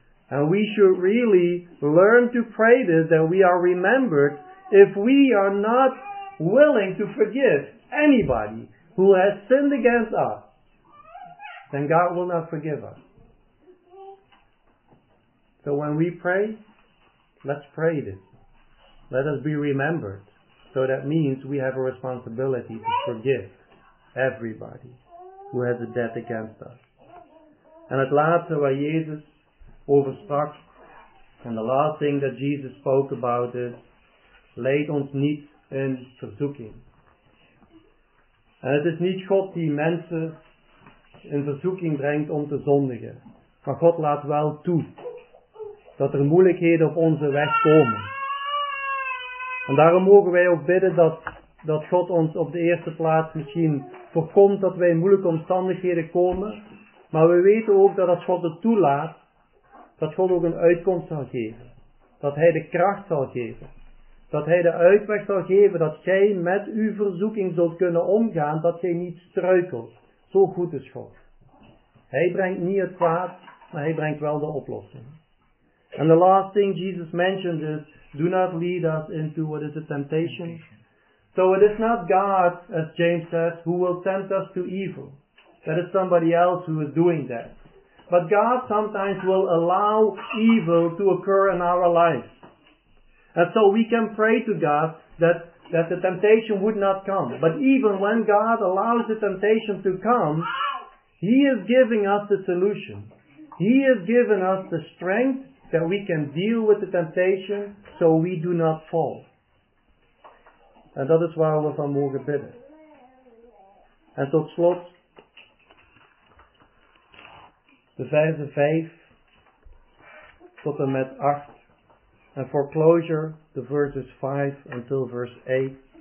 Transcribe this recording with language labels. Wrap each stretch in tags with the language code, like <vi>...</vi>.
<en>And we should really learn to pray this, that we are remembered if we are not willing to forgive anybody who has sinned against us, then God will not forgive us. So when we pray, let's pray this. Let us be remembered. So that means we have a responsibility to forgive everybody who has a debt against us.</en> <nl>And het laatste waar Jezus over sprak,</nl> <en>and the last thing that Jesus spoke about is,</en> <nl>leid ons niet in verzoeking. En het is niet God die mensen in verzoeking brengt om te zondigen. Maar God laat wel toe dat er moeilijkheden op onze weg komen. En daarom mogen wij ook bidden dat God ons op de eerste plaats misschien voorkomt dat wij in moeilijke omstandigheden komen. Maar we weten ook dat als God het toelaat, dat God ook een uitkomst zal geven. Dat Hij de kracht zal geven. Dat Hij de uitweg zal geven dat jij met uw verzoeking zult kunnen omgaan, dat jij niet struikelt. Zo goed is God. Hij brengt niet het kwaad, maar Hij brengt wel de oplossing.</nl> <en>And the last thing Jesus mentioned is, do not lead us into what is a temptation. So it is not God, as James says, who will tempt us to evil. That is somebody else who is doing that. But God sometimes will allow evil to occur in our lives. And so we can pray to God that that the temptation would not come. But even when God allows the temptation to come, He is giving us the solution. He is giving us the strength that we can deal with the temptation so we do not fall.</en> <nl>En dat is waar we van mogen bidden. En tot slot, de verse 5 tot en met 8.</nl> <en>En for closure, de verses 5 until verse 8.</en>